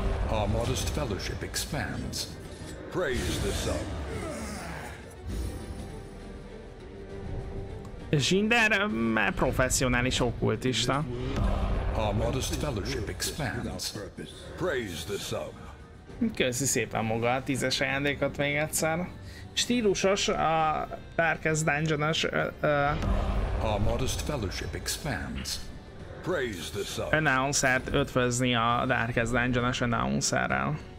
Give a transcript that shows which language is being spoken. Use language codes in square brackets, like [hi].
[en] Our modest fellowship expands. Praise the sun. [hu] Zsinder professzionális okkultista. [en] Our modest fellowship expands. Praise the sun. [hu] Köszi szépen maga a 10-es ajándékot még egyszer. Stílusos a Darkest Dungeon-os. [en] Our modest fellowship expands. Praise the sun. [hu] Announcert ötvözni a Darkest Dungeon-os announcerrel.